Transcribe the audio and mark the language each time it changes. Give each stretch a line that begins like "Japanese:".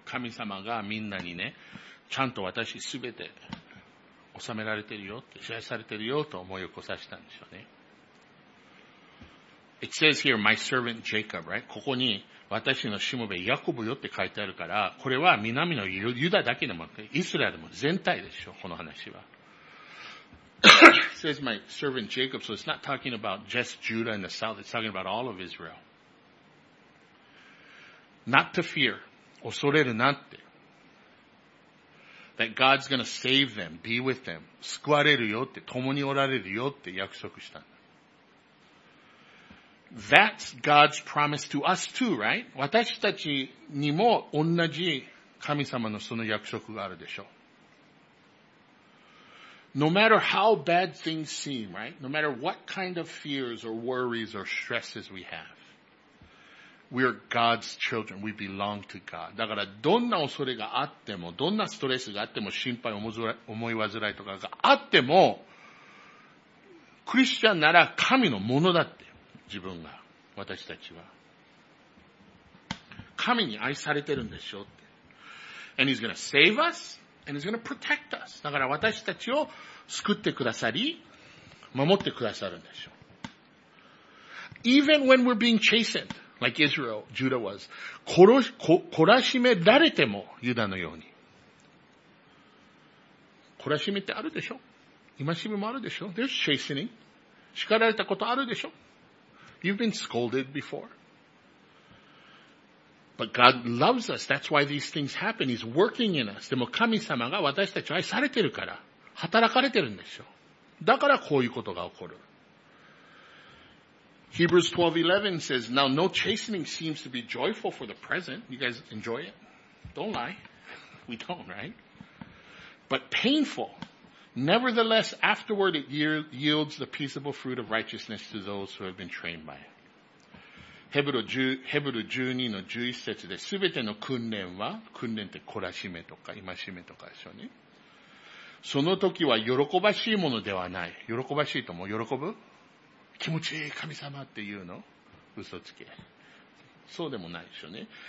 Japanese: 神様がみんなにね、ちゃんと私すべて収められてるよって、支配されてるよと思い起こさせたんでしょうね。
English: It says here, my servant Jacob, right?
Japanese: ここに私のしもべヤコブよって書いてあるから、これは南のユダだけでも、イスラエルも全体でしょ、この話は。
English: It says my servant Jacob, so it's not talking about just Judah and the south, it's talking about all of Israel. Not to fear. 恐れるなって。 That God's gonna save them, be with them.
Japanese: 救われるよって、共におられるよって約束した。
English: That's God's promise to us too, right?
Japanese: 私たちにも同じ神様のその約束があるでしょう。
English: No matter how bad things seem, right? No matter what kind of fears or worries or stresses we have. We are God's children. We belong to God.
Japanese: だから、どんな恐れがあっても、どんなストレスがあっても、心配、思い煩いとかがあっても、クリスチャンなら神のものだって、自分が、私たちは。神に愛されてるんでしょって。
English: And He's gonna save us, and He's gonna protect us.
Japanese: だから、私たちを救ってくださり、守ってくださるんでしょう。
English: Even when we're being chastened,Like Israel, Judah was.
Japanese: 懲らしめられても、ユダのように。懲らしめってあるでしょ?戒めもあるでしょ?
English: There's chastening.
Japanese: 叱られたことあるでしょ?
English: You've been scolded before. But God loves us. That's why these things happen. He's working in us. でも神様が私たちを愛されてるから、働かれてるんでしょ。
Japanese: だからこういうことが起こる。
English: Hebrews 12:11 says, now no chastening seems to be joyful for the present. You guys enjoy it? Don't lie. We don't, right? But painful. Nevertheless, afterward it yields the peaceable fruit of righteousness to those who have been trained by it.
Japanese: ヘブル12:11で、すべての訓練は、訓練って懲らしめとか、戒めとかでしょうね。その時は喜ばしいものではない。喜ばしいとも喜ぶ? 気持ちいい神様っていうの?嘘つけ。そうでもないでしょうね。